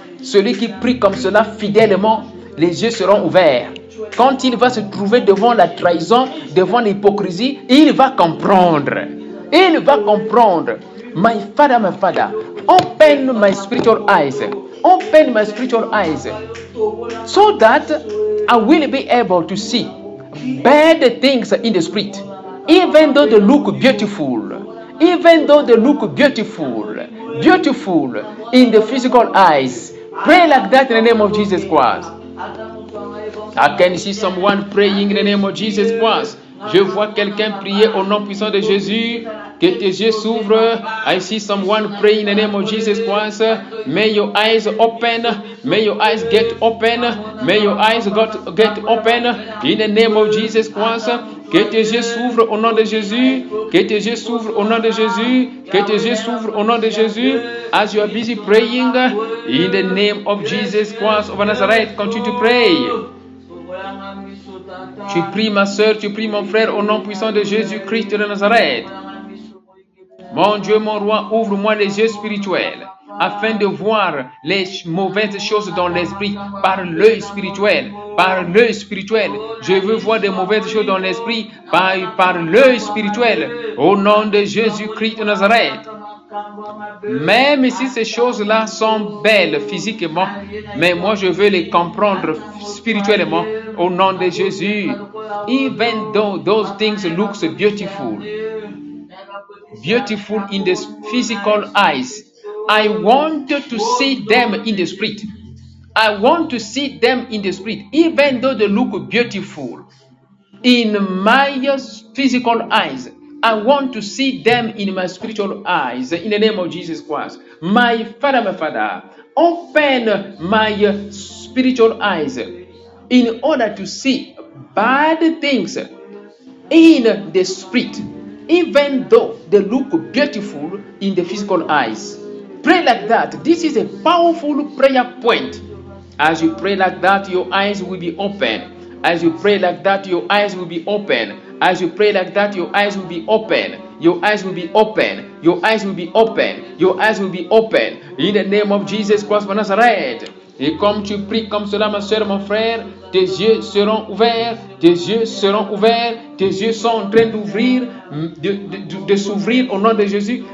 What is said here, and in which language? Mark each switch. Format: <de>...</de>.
<fr>Celui qui prie comme cela fidèlement, les yeux seront ouverts. Quand il va se trouver devant la trahison, devant l'hypocrisie, il va comprendre. Il va comprendre.</fr> <en>My father, open my spiritual eyes, so that I will be able to see bad things in the spirit, even though they look beautiful, even though they look beautiful in the physical eyes. Pray like that in the name of Jesus Christ. I can see someone praying in the name of Jesus Christ.</en> <fr>Je vois quelqu'un prier au nom puissant de Jésus. Que tes yeux s'ouvrent.</fr> <en>I see someone praying in the name of Jesus Christ. May your eyes open. May your eyes get open. May your eyes get open in the name of Jesus Christ.</en> <fr>Que tes yeux s'ouvrent au nom de Jésus. Que tes yeux s'ouvrent au nom de Jésus. Que tes yeux s'ouvrent au nom de Jésus.</fr> <en>As you are busy praying in the name of Jesus Christ of Nazareth, continue to pray.</en> <fr>Tu pries, ma soeur, tu pries, mon frère, au nom puissant de Jésus-Christ de Nazareth. Mon Dieu, mon roi, ouvre-moi les yeux spirituels afin de voir les mauvaises choses dans l'esprit par l'œil spirituel. Par l'œil spirituel. Je veux voir des mauvaises choses dans l'esprit par l'œil spirituel. Au nom de Jésus-Christ de Nazareth. Même si ces choses-là sont belles physiquement, mais moi je veux les comprendre spirituellement au nom de Jésus.</fr> <en>Even though those things look beautiful, beautiful in the physical eyes, I want to see them in the spirit. I want to see them in the spirit, even though they look beautiful in my physical eyes. I want to see them in my spiritual eyes, in the name of Jesus Christ. My Father, open my spiritual eyes in order to see bad things in the spirit, even though they look beautiful in the physical eyes. Pray like that. This is a powerful prayer point. As you pray like that, your eyes will be open. As you pray like that, your eyes will be open. As you pray like that, your eyes will be open. Your eyes will be open. Your eyes will be open. Your eyes will be open. In the name of Jesus Christ of Nazareth.</en> <fr>Et comme tu pries comme cela, ma soeur, mon frère, tes yeux seront ouverts. Tes yeux seront ouverts. Tes yeux sont en train d'ouvrir, de s'ouvrir au nom de Jésus.</fr>